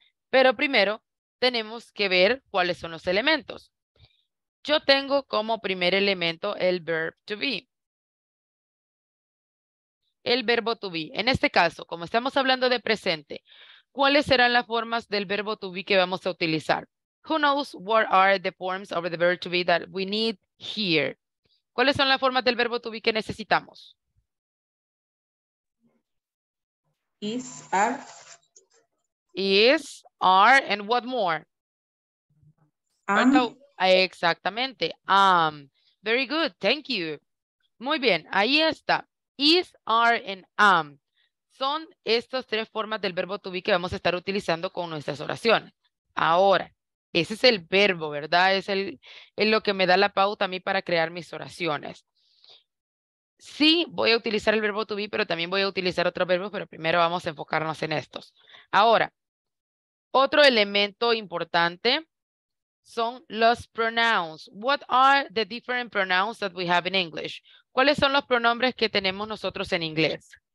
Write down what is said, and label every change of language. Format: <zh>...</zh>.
<es>Pero primero tenemos que ver cuáles son los elementos. Yo tengo como primer elemento el verb to be. El verbo to be. En este caso, como estamos hablando de presente, ¿cuáles serán las formas del verbo to be que vamos a utilizar?</es> <en>Who knows what are the forms of the verb to be that we need here?</en> <es>¿Cuáles son las formas del verbo to be que necesitamos?</es> <en>Is, are. Is, are, and what more?</en> <es>Exactamente.</es> <en>Very good. Thank you.</en> <es>Muy bien. Ahí está.</es> <en>Is, are, and am.</en> <es>Son estas tres formas del verbo to be que vamos a estar utilizando con nuestras oraciones. Ahora, ese es el verbo, ¿verdad? Es el lo que me da la pauta a mí para crear mis oraciones. Sí, voy a utilizar el verbo to be, pero también voy a utilizar otros verbos, pero primero vamos a enfocarnos en estos. Ahora, otro elemento importante son los pronouns.</es> <en>What are the different pronouns that we have in English?</en> <es>¿Cuáles son los pronombres que tenemos nosotros en inglés?</es>